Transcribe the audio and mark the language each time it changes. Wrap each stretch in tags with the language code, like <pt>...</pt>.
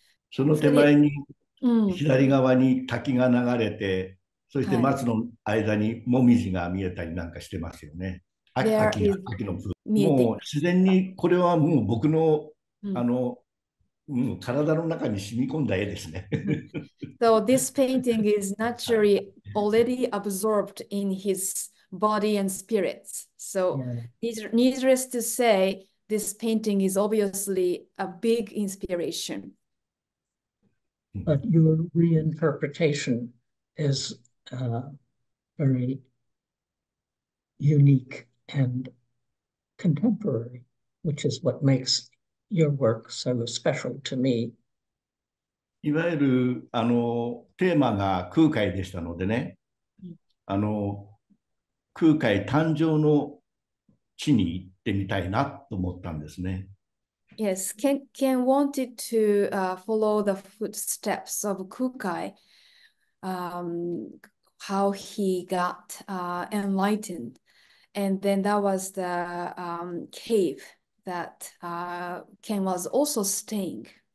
<ja>その手前に、左側に滝が流れて、そして松の間にモミジが見えたりなんかしてますよね。秋の風。もう自然にこれはもう僕の、体の中に染み込んだ絵ですね。</ja> <en>So this painting is naturally already absorbed in his body and spirit. So needless to say, this painting is obviously a big inspiration. But your reinterpretation is very unique and contemporary, which is what makes your work so special to me.</en> <ja>いわゆるテーマが空海でしたのでね、空海誕生の地に行ってみたいなと思ったんですね。</ja> <en>Yes, Ken wanted to follow the footsteps of Kukai, how he got enlightened. And then that was the cave that Ken was also staying.</en>